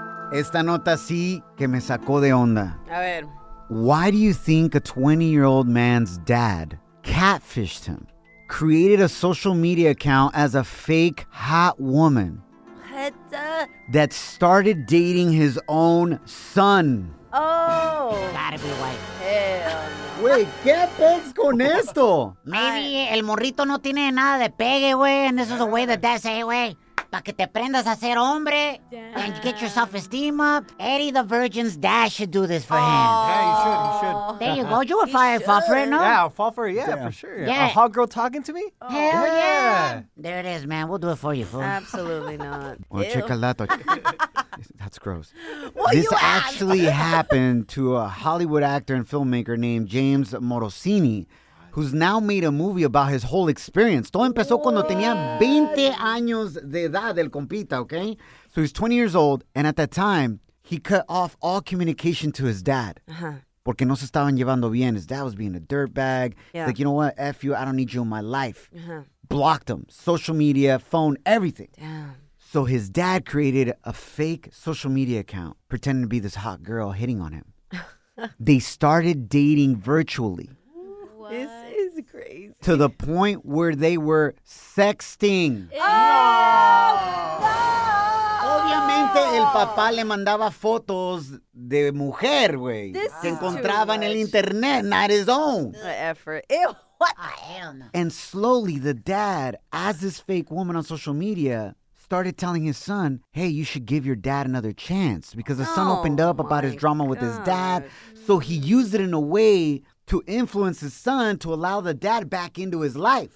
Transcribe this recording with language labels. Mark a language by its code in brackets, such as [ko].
[es] Esta nota sí que me sacó de onda. A ver. [en] Why do you think a 20-year-old man's dad catfished him, created a social media account as a fake hot woman that started dating his own son? Oh. Gotta be white. Hell. Wait, [es] ¿qué pegs con esto? [en] Maybe [es] el morrito no tiene nada de pegue, güey, [en] and this is a way that dad say, güey. [es] Pa' que te prendas a ser hombre. [en] Damn. And get your self-esteem up. Eddie the Virgin's dad should do this for him. Yeah, he should, There you go. You would fire a fuffer, no? Yeah, I'll fuffer, for sure. Yeah. A hot girl talking to me? Hell yeah. There it is, man. We'll do it for you, fool. Absolutely not. Well, check out that. That's gross. What this actually happened to a Hollywood actor and filmmaker named James Morosini, who's now made a movie about his whole experience. [es] Todo empezó cuando tenía 20 años de edad del compita, [en] okay? So he's 20 years old, and at that time, he cut off all communication to his dad. [es] Porque no se estaban llevando bien. [en] His dad was being a dirtbag. Yeah. Like, you know what? F you, I don't need you in my life. Uh-huh. Blocked him. Social media, phone, everything. Damn. So his dad created a fake social media account pretending to be this hot girl hitting on him. They started dating virtually. This is crazy. To the point where they were sexting. No! [es] Obviamente, el papá le mandaba fotos de mujer, güey. Que encontraba en el internet, [en] not his own. The effort. Ew, what? I don't know. And slowly, the dad, as this fake woman on social media, started telling his son, hey, you should give your dad another chance. Because the son opened up about his drama with his dad. So he used it in a way to influence his son to allow the dad back into his life.